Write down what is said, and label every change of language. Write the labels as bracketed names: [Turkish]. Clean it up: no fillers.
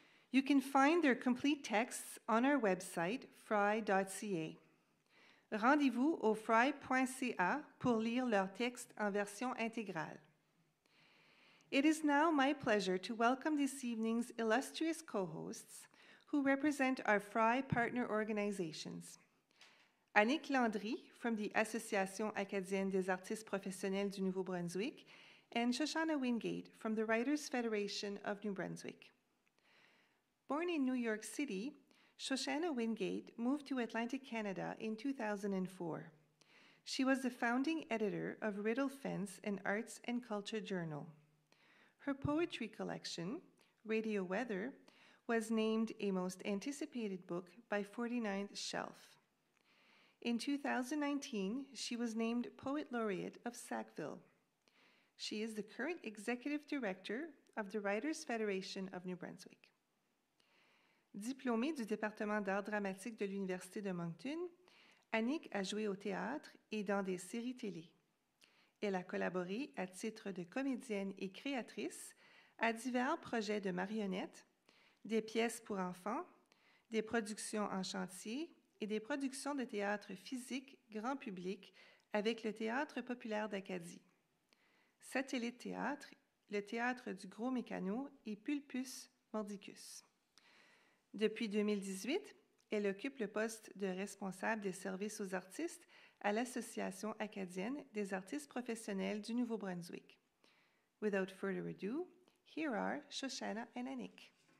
[English] You can find their complete texts on our website, fry.ca. [French] Rendez-vous au fry.ca pour lire leur texte en version intégrale. [English] It is now my pleasure to welcome this evening's illustrious co-hosts who represent our Fry partner organizations. Annick Landry from the Association acadienne des artistes professionnels du Nouveau-Brunswick and Shoshana Wingate from the Writers' Federation of New Brunswick. Born in New York City, Shoshana Wingate moved to Atlantic Canada in 2004. She was the founding editor of Riddle Fence, an arts and culture journal. Her poetry collection, Radio Weather, was named a most anticipated book by 49th Shelf. In 2019, she was named Poet Laureate of Sackville. She is the current executive director of the Writers' Federation of New Brunswick. [French] Diplômée du département d'art dramatique de l'Université de Moncton, Annick a joué au théâtre et dans des séries télé. Elle a collaboré à titre de comédienne et créatrice à divers projets de marionnettes, des pièces pour enfants, des productions en chantier et des productions de théâtre physique grand public avec le Théâtre populaire d'Acadie. Satellite Théâtre, le Théâtre du Gros Mécano et Pulpus Mordicus. Depuis 2018, elle occupe le poste de responsable des services aux artistes à l'Association acadienne des artistes professionnels du Nouveau-Brunswick. [English] Without further ado, here are Shoshana and Annick.